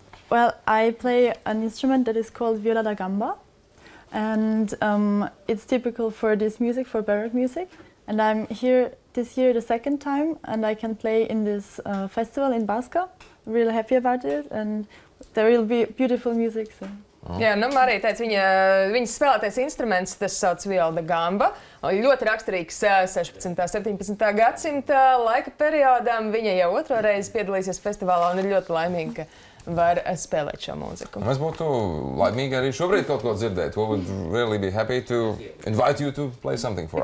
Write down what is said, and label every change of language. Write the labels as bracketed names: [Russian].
[English] Well, I play an instrument that is called viola da gamba. And it's typical for this music, for baroque music. And I'm here this year the second time, and I can play in this festival in Bauska. Really happy about it, and there will be beautiful music. So. [Latvian] Jā, nu, Marija teica, viņa spēlētais instruments, tas sauc viola da gamba, ļoti raksturīgs 16. 17. Gadsimta laika periodam. Viņa jau otro reizi piedalīsies festivālā un ir ļoti laimīga, ka var spēlēt šo mūziku. Mēs būtu laimīgi arī šobrīd kaut ko dzirdēt. [English] We would really be happy to invite you to play something for